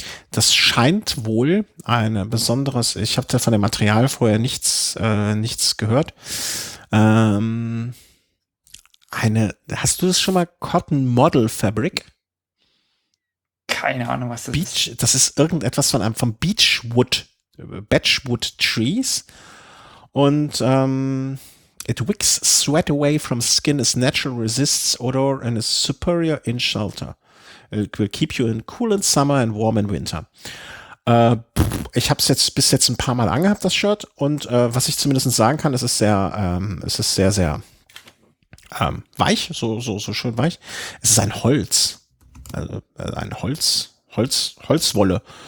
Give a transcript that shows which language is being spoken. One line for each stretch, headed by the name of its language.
German: Das scheint wohl eine besonderes, ich habe von dem Material vorher nichts, nichts gehört. Eine, hast du das schon mal, Cotton Model Fabric? Keine Ahnung, was das
English: Beach,
German: ist. Das ist irgendetwas von einem, vom Beechwood, Beechwood Trees.
English: Und it wicks sweat away from skin, is natural, resists odor and is superior in shelter. It will keep you in cool in summer and warm in winter.
German: Ich habe es jetzt bis jetzt ein paar Mal angehabt, das Shirt. Und was ich zumindest sagen kann, es ist sehr, sehr weich, so schön weich. Es ist ein Holz. Also ein Holz, Holzwolle.